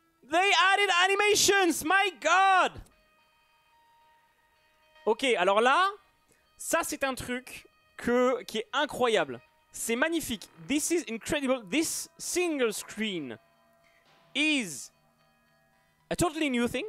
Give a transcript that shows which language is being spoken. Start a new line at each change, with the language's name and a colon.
English: They added animations, my God!
French: Ok, alors là, ça c'est un truc qui est incroyable. C'est magnifique.
English: This is incredible. This single screen is a totally new thing.